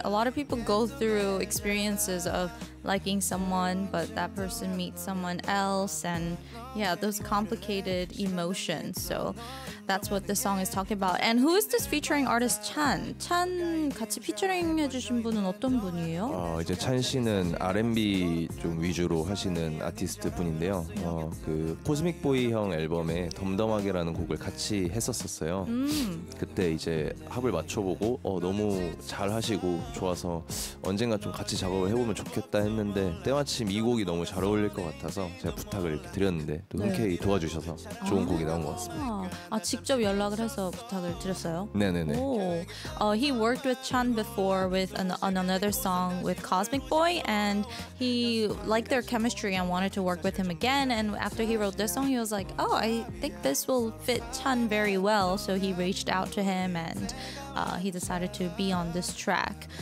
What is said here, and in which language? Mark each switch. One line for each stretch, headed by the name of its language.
English: A lot of people go through experiences of liking someone, but that person meets someone else, and yeah, those complicated emotions. So that's what the song is talking about. And who is this featuring artist, Chan?
Korean: Chan 같이 피처링 해주신 분은 어떤 분이에요? 이제 찬 씨는 R&B 좀 위주로 하시는 아티스트 분인데요. 그 코스믹 보이 형 앨범에 덤덤하게라는 곡을 같이 했었었어요. 그때 이제 합을 맞춰보고 너무 잘 하시고 좋아서 언젠가 좀 같이 작업을 해보면 좋겠다 했는데 때마침 이 곡이 너무 잘 어울릴 것 같아서 제가 부탁을 이렇게 드렸는데 또 흔쾌히 네. 도와주셔서 좋은 곡이 나온 것 같습니다. 아 직접 연락을 해서 부탁을 드렸어요? 네네네. 오.
English: He worked with Chan before with on another song with Cosmic Boy and he liked their chemistry and wanted to work with him again and after he wrote this song he was like oh I think this will fit Chan very well so he reached out to him and he decided to be on this track.